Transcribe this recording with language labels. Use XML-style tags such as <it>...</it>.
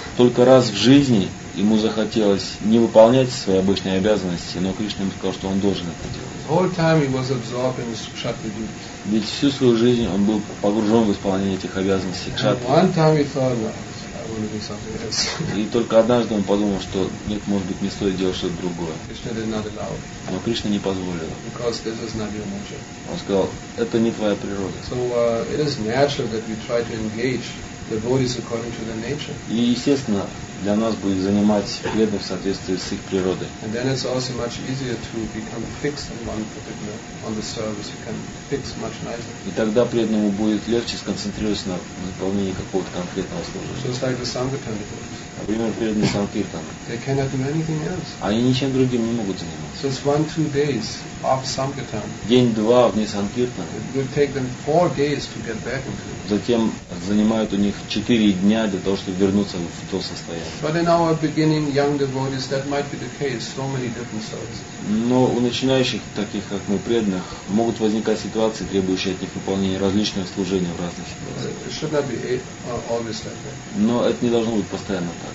<ru>Только раз в жизни ему захотелось не выполнять свои обычные обязанности, но Кришна ему сказал, что он должен это делать.</ru> <en>The whole time he was absorbed in his kshatriya duties.</en> <ru>Ведь всю свою жизнь он был погружен в исполнение этих обязанностей кшатри.</ru> <en>One time he thought, no, I want to do something else.</en> <ru>И только однажды он подумал, что нет, может быть, не стоит делать что-то другое.</ru> <en>Krishna did not allow it.</en> <ru>Но Кришна не позволил.</ru> <en>Because this is not your nature.</en> <ru>Он сказал, это не твоя природа.</ru> <en>So it is natural that we try to engage the devotees according to their nature.</en> <ru>И естественно, для нас будет занимать преданных в соответствии с их природой.</ru> <en>And then it's also much easier to become fixed on one particular on the service. You can fix much nicer.</en> <ru>И тогда преданному будет легче сконцентрироваться на выполнении какого-то конкретного служения.</ru> <en>So it's like the sankirtan devotees.</en> <ru>Например, преданные санкиртаны.</ru> <en>They cannot do anything else.</en> <ru>Они ничем другим не могут заниматься.</ru> <en>So it's 1-2 days off sankirtan.</en> <ru>День-два вне санкиртана.</ru> <en>It will take them 4 days to get back into it.</en> <ru>Затем занимают у них 4 дня для того, чтобы вернуться в то состояние.</ru> <en>But in our beginning young devotees that might be the case. So many different services.</en> <ru>Но у начинающих, таких как мы, преданных, могут возникать ситуации, требующие от них выполнения различных служений в разных ситуациях.</ru> <en>It should not be always like that.</en> <ru>Но это не должно быть постоянно.</ru>